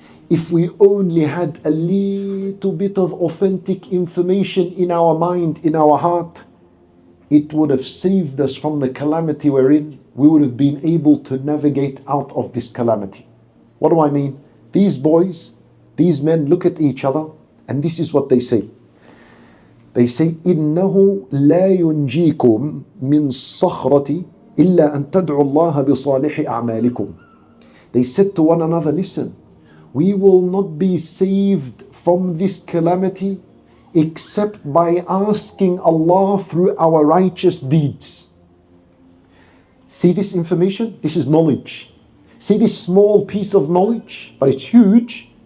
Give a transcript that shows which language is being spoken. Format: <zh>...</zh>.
<en>If we only had a little bit of authentic information in our mind, in our heart, it would have saved us from the calamity we're in. We would have been able to navigate out of this calamity. What do I mean? These boys, these men look at each other and this is what they say. They say,</en> <ar>إِنَّهُ لَا يُنْجِيكُمْ مِنْ صَخْرَةِ إِلَّا أَن تَدْعُوا اللَّهَ بِصَالِحِ أَعْمَالِكُمْ.</ar> <en>They said to one another, listen, we will not be saved from this calamity except by asking Allah through our righteous deeds. See this information? This is knowledge. See this small piece of knowledge, but it's huge.</en>